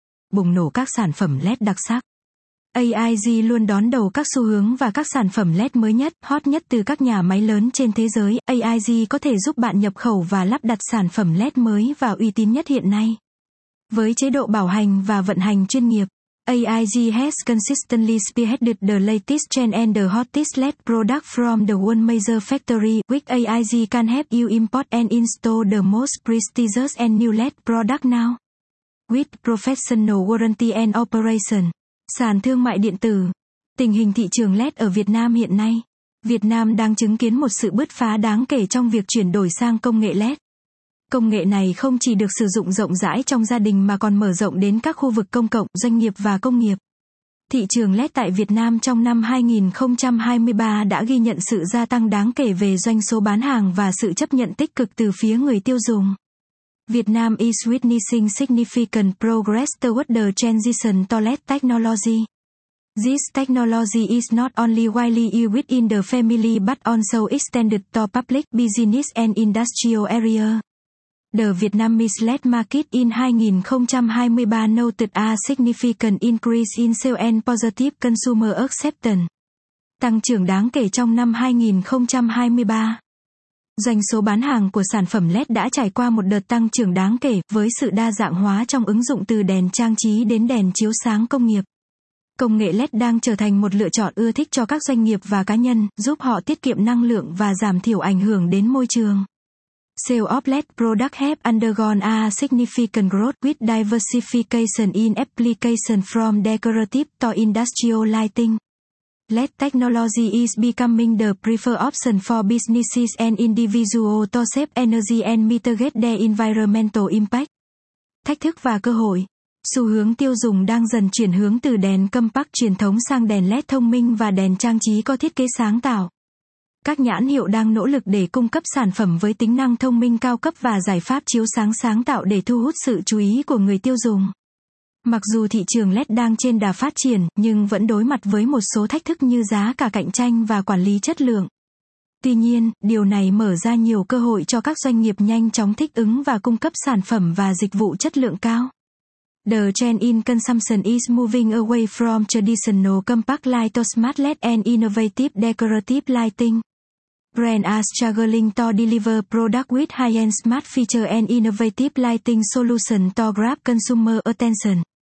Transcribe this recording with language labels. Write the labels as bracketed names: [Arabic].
[Vietnamese] Bùng nổ các sản phẩm LED đặc sắc. AIG luôn đón đầu các xu hướng và các sản phẩm LED mới nhất, hot nhất từ các nhà máy lớn trên thế giới. AIG có thể giúp bạn nhập khẩu và lắp đặt sản phẩm LED mới và uy tín nhất hiện nay. Với chế độ bảo hành và vận hành chuyên nghiệp, [English] AIG has consistently spearheaded the latest trend and the hottest LED product from the world major factory. With AIG can help you import and install the most prestigious and new LED product now. With professional warranty and operation. [Vietnamese] Sàn thương mại điện tử. Tình hình thị trường LED ở Việt Nam hiện nay. Việt Nam đang chứng kiến một sự bứt phá đáng kể trong việc chuyển đổi sang công nghệ LED. Công nghệ này không chỉ được sử dụng rộng rãi trong gia đình mà còn mở rộng đến các khu vực công cộng, doanh nghiệp và công nghiệp. Thị trường LED tại Việt Nam trong năm 2023 đã ghi nhận sự gia tăng đáng kể về doanh số bán hàng và sự chấp nhận tích cực từ phía người tiêu dùng. [English] Việt Nam is witnessing significant progress toward the transition to LED technology. This technology is not only widely used within the family but also extended to public, business and industrial area. The Vietnamese LED market in 2023 noted a significant increase in sales and positive consumer acceptance. [Vietnamese] Tăng trưởng đáng kể trong năm 2023. Doanh số bán hàng của sản phẩm LED đã trải qua một đợt tăng trưởng đáng kể với sự đa dạng hóa trong ứng dụng từ đèn trang trí đến đèn chiếu sáng công nghiệp. Công nghệ LED đang trở thành một lựa chọn ưa thích cho các doanh nghiệp và cá nhân, giúp họ tiết kiệm năng lượng và giảm thiểu ảnh hưởng đến môi trường. [English] Sales of LED products have undergone a significant growth with diversification in application from decorative to industrial lighting. LED technology is becoming the preferred option for businesses and individuals to save energy and mitigate their environmental impact. [Vietnamese] Thách thức và cơ hội. Xu hướng tiêu dùng đang dần chuyển hướng từ đèn compact truyền thống sang đèn LED thông minh và đèn trang trí có thiết kế sáng tạo. Các nhãn hiệu đang nỗ lực để cung cấp sản phẩm với tính năng thông minh cao cấp và giải pháp chiếu sáng sáng tạo để thu hút sự chú ý của người tiêu dùng. Mặc dù thị trường LED đang trên đà phát triển, nhưng vẫn đối mặt với một số thách thức như giá cả cạnh tranh và quản lý chất lượng. Tuy nhiên, điều này mở ra nhiều cơ hội cho các doanh nghiệp nhanh chóng thích ứng và cung cấp sản phẩm và dịch vụ chất lượng cao. [English] The trend in consumption is moving away from traditional compact light to smart LED and innovative decorative lighting. Brands are struggling to deliver products with high-end smart feature and innovative lighting solution to grab consumer attention.